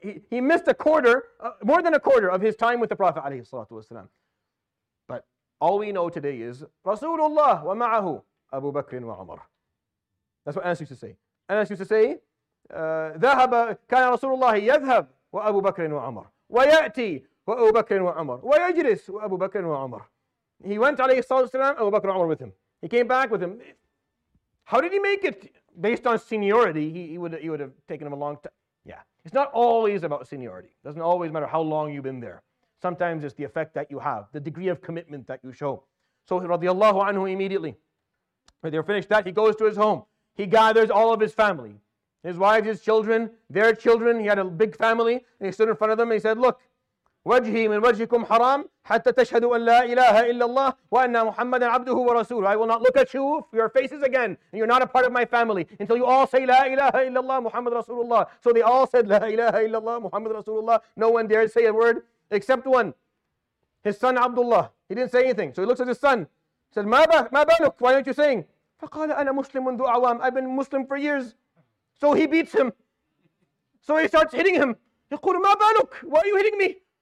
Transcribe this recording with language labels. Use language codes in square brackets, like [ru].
[en] He missed more than a quarter of his time with the Prophet [ar] عليه الصلاة والسلام. [en] But all we know today is [ar] Rasulullah wa ma'ahu Abu Bakr wa Umar. [en] That's what Anas used to say. [ar] ذهب كان رسول الله يذهب وأبو بكر وعمر ويأتي وأبو بكر وعمر ويجلس وأبو بكر وعمر. [en] He went [ar] عليه الصلاة والسلام, [en] Abu Bakr Umar with him. He came back with him. How did he make it? Based on seniority, he would have taken him a long time. Yeah, it's not always about seniority. It doesn't always matter how long you've been there. Sometimes it's the effect that you have, the degree of commitment that you show. So radiallahu anhu, immediately when they're finished that, he goes to his home. He gathers all of his family, his wives, his children, their children. He had a big family, and he stood in front of them and he said, look, [ar] وَجْهِي مِنْ وَجْهِكُمْ حَرَامٌ حَتَّى تَشْهَدُوا أَنْ لَا إِلَٰهَ إِلَّا اللَّهِ وَأَنَّ مُحَمَّدًا عَبْدُهُ وَرَسُولُهُ. [en] I will not look at you, your faces again, and you're not a part of my family until you all say [ar] لا إله إلا الله محمد رسول الله. [en] So they all said [ar] لا إله إلا الله محمد رسول الله. [en] No one dared say a word except one, his son Abdullah. He didn't say anything. So he looks at his son, said, [ar] مَا بَالُكْ, [en] why aren't you saying? [ar] فَقَالَ أَنَا مُسْلِمٌ ذُو أَعْوَامٍ. [en] I've been Muslim for years. So he beats him. So he starts hitting him. [ar] يقول, مَا بَالُكْ, [en] why are you hitting me?